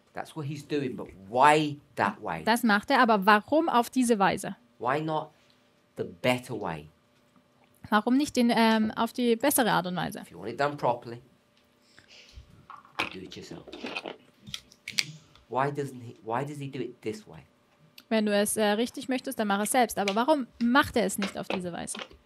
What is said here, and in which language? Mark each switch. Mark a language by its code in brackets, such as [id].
[en] That's what he's doing, but why that way? [de] Das macht er, aber warum auf diese Weise? [en] Why not the better way? [de] Warum nicht den auf die bessere Art und Weise? [en] If you want it done properly, do it yourself. Why does he do it this way? [de] Wenn du es richtig möchtest, dann mach es selbst. Aber warum macht er es nicht auf diese Weise?